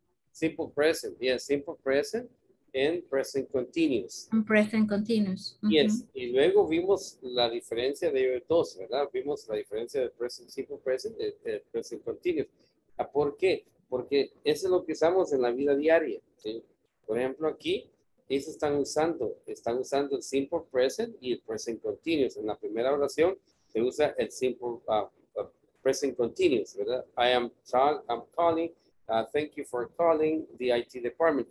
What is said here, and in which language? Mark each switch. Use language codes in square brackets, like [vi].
[en] Simple present, yes, simple present and present continuous. And present continuous. Mm-hmm. [es] Yes, y luego vimos la diferencia de ellos dos, ¿verdad? Vimos la diferencia de present, simple present y present continuous. ¿Por qué? Porque eso es lo que usamos en la vida diaria, ¿sí? Por ejemplo, aquí, ellos están usando el simple present y el present continuous en la primera oración. Se usa el simple present continuous, ¿verdad? [en] I'm calling, thank you for calling the IT department.